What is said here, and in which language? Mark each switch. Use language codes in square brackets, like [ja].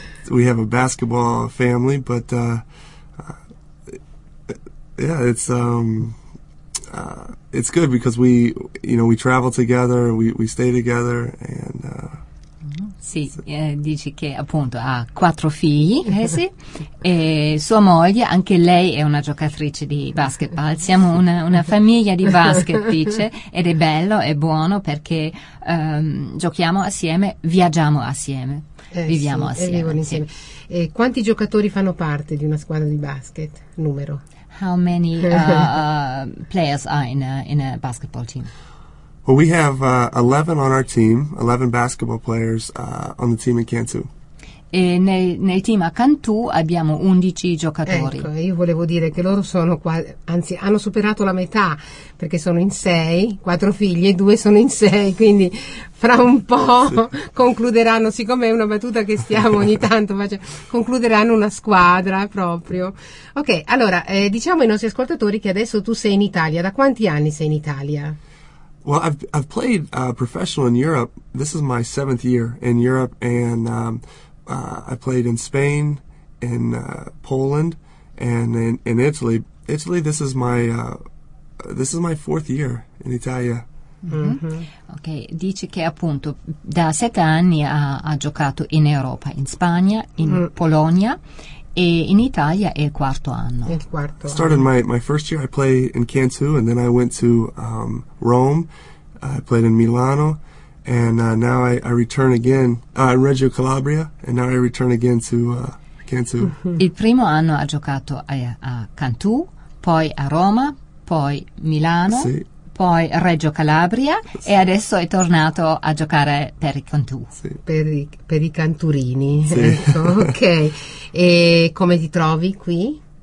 [en] We have a basketball family, but yeah, it's good because we, you know, we travel together, we stay together and [it] sì, dici che appunto ha quattro figli, sì, e sua moglie, anche lei è una giocatrice di basketball, siamo una famiglia di basket, dice, ed è bello, è buono perché giochiamo assieme, viaggiamo assieme, viviamo sì, assieme. E vivono insieme. Sì. E quanti giocatori fanno parte di una squadra di basket? Numero? [en] How many players are in a basketball team? Well, we have 11 on our team, 11 basketball players on the team in Cantu. [it] E nel team a Cantu abbiamo 11 giocatori. Ecco, io volevo dire che loro sono quasi, anzi, hanno superato la metà, perché sono in 6, 4 figli e 2 sono in 6, quindi fra un po' concluderanno, siccome è una battuta che stiamo ogni tanto facendo, concluderanno una squadra proprio. Ok, allora, diciamo ai nostri ascoltatori che adesso tu sei in Italia. Da quanti anni sei in Italia? [en] Well, I've played professional in Europe. This is my seventh year in Europe, and I played in Spain, in Poland, and in Italy. Italy, this is my fourth year in Italia. Mm-hmm. [it] Ok, dice che appunto da 7 anni ha giocato in Europa, in Spagna, in Polonia, E in Italia è il quarto anno. Il quarto. [en] Started my first year I played in Cantu and then I went to Rome. I played in Milano and now I return again in Reggio Calabria and now I return again to Cantu. [it] Il primo anno ha giocato a Cantu, poi a Roma, poi Milano. Sì. Poi Reggio Calabria, sì. E adesso è tornato a giocare per i Cantù. Sì. Per i canturini. Sì. Ok. E come ti trovi qui?